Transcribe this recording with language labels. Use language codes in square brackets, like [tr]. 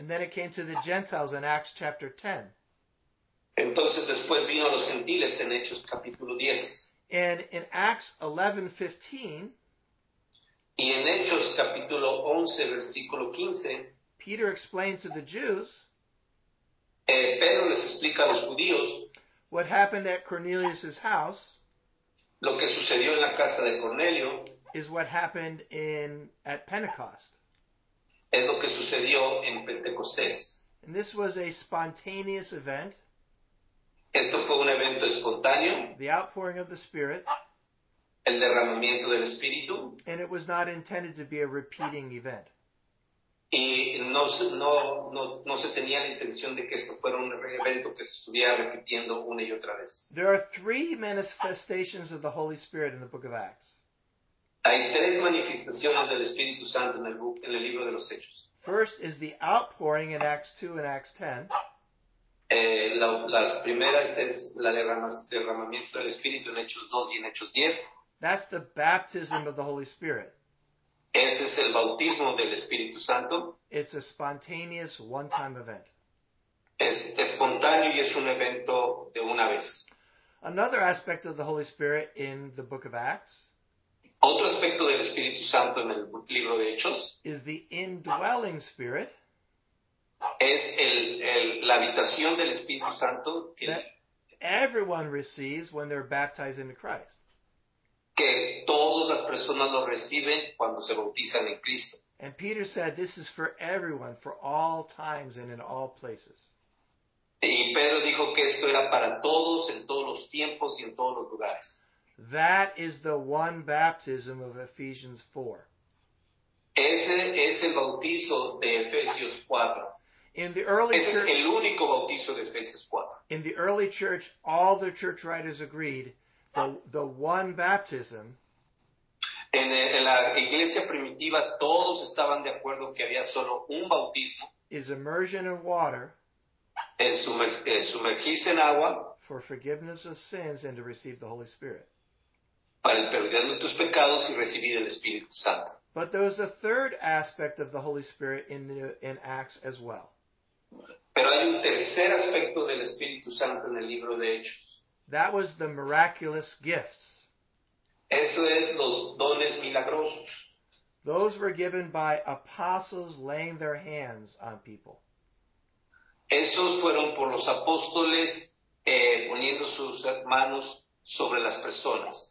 [en] And then it came to the Gentiles in Acts chapter 10. [es] Entonces después vino a los gentiles en Hechos capítulo 10. [en] And in Acts 11:15, [es] y en Hechos capítulo 11 versículo 15, [en] Peter explained to the Jews, [es] Pedro les explica a los judíos, [en] what happened at Cornelius's house, [es] lo que sucedió en la casa de Cornelio, [en] is what happened at Pentecost. [es] Es lo que sucedió en Pentecostés. [en] And this was a spontaneous event. [es] Esto fue un evento espontáneo. [en] The outpouring of the Spirit. [es] El derramamiento del Espíritu. [en] And it was not intended to be a repeating event. [es] Y no se tenía la intención de que esto fuera un evento que se estuviera repitiendo una y otra vez. [en] There are three manifestations of the Holy Spirit in the book of Acts. [es] Hay tres manifestaciones del Espíritu Santo en el libro de los Hechos. [en] First is the outpouring in Acts 2 and Acts 10. [es] Las primeras es la derramamiento del Espíritu en Hechos 2 y en Hechos 10. [en] That's the baptism of the Holy Spirit. [es] Este es el bautismo del Espíritu Santo. [en] It's a spontaneous one-time event. [es] Es espontáneo y es un evento de una vez. [en] Another aspect of the Holy Spirit in the book of Acts. [es] Otro aspecto del Espíritu Santo en el libro de Hechos. [en] Is the indwelling Spirit. [es] Es la habitación del Espíritu Santo. [en] everyone receives when they're baptized into Christ. [es] Que todas las personas lo reciben cuando se bautizan en Cristo. [en] And Peter said, this is for everyone, for all times and in all places. [es] Y Pedro dijo que esto era para todos, en todos los tiempos y en todos los lugares. [en] That is the one baptism of Ephesians 4. [es] Ese es el bautizo de Efesios 4. [en] In the early [es] Ese church, es el único bautizo de Efesios 4. [en] In the early church, all the church writers agreed the one baptism. [es] En la iglesia primitiva, todos estaban de acuerdo que había solo un bautismo. [en] Is immersion in water. [es] Sumergirse en agua. [en] For forgiveness of sins and to receive the Holy Spirit. [es] Para el perdón de tus pecados y recibir el Espíritu Santo. [en] But there was a third aspect of the Holy Spirit in Acts as well. [es] Pero hay un tercer aspecto del Espíritu Santo en el libro de Hechos. [en] That was the miraculous gifts. [es] Eso es los dones milagrosos. [en] Those were given by apostles laying their hands on people. [es] Esos fueron por los apóstoles poniendo sus manos sobre las personas.